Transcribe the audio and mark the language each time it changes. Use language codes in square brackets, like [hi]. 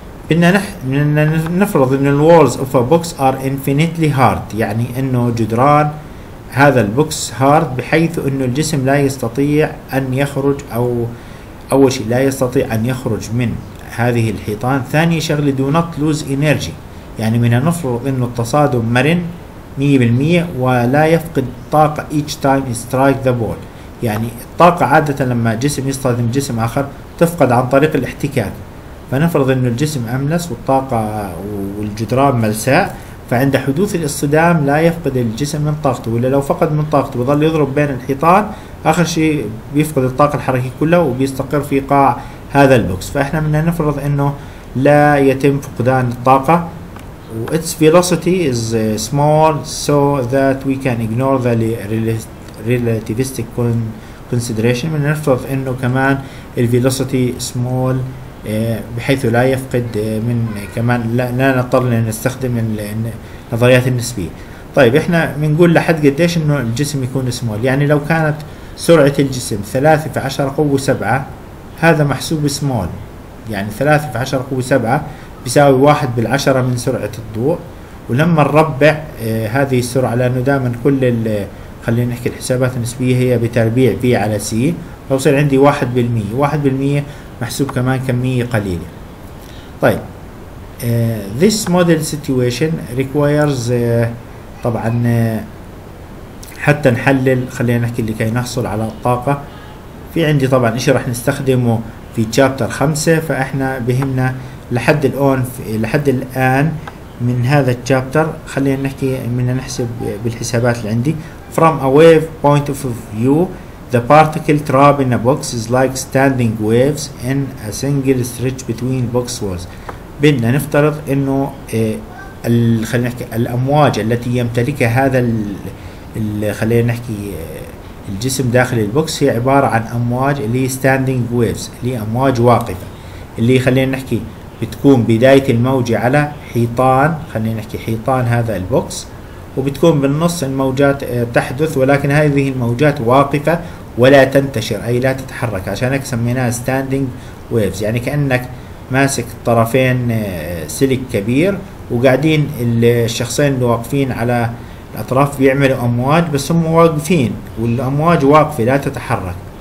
[ar] بدنا نفرض ان [en] الوولز of a box are infinitely hard, [ar] يعني انه جدران هذا البوكس هارد بحيث انه الجسم لا يستطيع ان يخرج، او اول شيء لا يستطيع ان يخرج من هذه الحيطان، ثاني شغله [en] do not lose energy, [ar] يعني من نفرض انه التصادم مرن 100% ولا يفقد طاقه [en] each time strike the ball, [ar] يعني الطاقه عاده لما جسم يصطدم جسم اخر تفقد عن طريق الاحتكاك. فنفرض ان الجسم املس والطاقه والجدران ملساء، فعند حدوث الاصطدام لا يفقد الجسم من طاقته، ولا لو فقد من طاقته بيظل يضرب بين الحيطان، اخر شيء بيفقد الطاقه الحركيه كلها وبيستقر في قاع هذا البوكس. فاحنا بدنا نفرض انه لا يتم فقدان الطاقه، [en] و its velocity is small so that we can ignore the relativistic consideration. [ar] بدنا نفرض انه كمان ال [en] velocity small [ar] بحيث لا يفقد من كمان لا نضطر نستخدم النظريات النسبيه. طيب احنا بنقول لحد قديش انه الجسم يكون سمول، يعني لو كانت سرعه الجسم 3 × 10^7 هذا محسوب سمول، يعني 3 × 10^7 بيساوي 1 بالعشرة من سرعه الضوء، ولما نربع هذه السرعه، لانه دائما كل خلينا نحكي الحسابات النسبيه هي بتربيع في على سي، فبصير عندي 1%، 1% محسوب كمان كمية قليلة. طيب [en] this model situation requires [ar] طبعا حتى نحلل، خلينا نحكي اللي كي نحصل على الطاقة، في عندي طبعا اشي راح نستخدمه في chapter 5، فاحنا بهمنا لحد الان من هذا الشابتر خلينا نحكي من نحسب بالحسابات اللي عندي. [en] from a wave point of view the particle trapped in a box is like standing waves in a single stretch between box walls. [ar] بدنا نفترض انه خلينا نحكي الامواج التي يمتلكها هذا خلينا نحكي الجسم داخل البوكس هي عباره عن امواج اللي standing waves، اللي امواج واقفه، اللي خلينا نحكي بتكون بدايه الموجه على حيطان، خلينا نحكي حيطان هذا البوكس، وبتكون بالنص الموجات تحدث، ولكن هذه الموجات واقفه ولا تنتشر، اي لا تتحرك، عشان هيك سميناها ستاندينج ويفز، يعني كانك ماسك طرفين سلك كبير وقاعدين الشخصين اللي واقفين على الاطراف بيعملوا امواج، بس هم واقفين والامواج واقفه لا تتحرك.